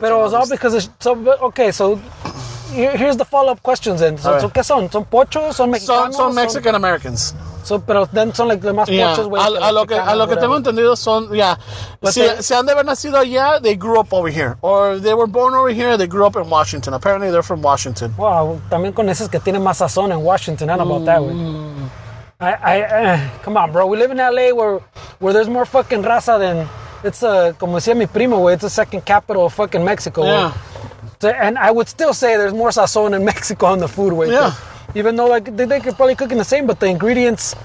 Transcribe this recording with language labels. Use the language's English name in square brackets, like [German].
[English] But it was all because it's, so here's the follow up questions then. [Spanish] So, right. So, ¿qué son? ¿Son pochos? ¿Son mexicanos? [English] Son Mexican Americans. So, pero then son like the [Spanish] más pochos, yeah. A lo que tengo entendido son, yeah. Si han de haber nacido allá, [English] they grew up over here. Or they were born over here, they grew up in Washington. Apparently they're from Washington. [Spanish] Wow, también con esos que tienen más sazón en Washington. [English] I don't know about that, güey. Come on, bro. We live in LA where there's more fucking raza than. It's a, [Spanish] como decía mi primo, güey. [English] It's the second capital of fucking Mexico. Yeah. [Spanish] Wey. [English] And I would still say there's more sazón in Mexico on the food, güey. Yeah. Even though, like, they could probably cook in the same, but the ingredients...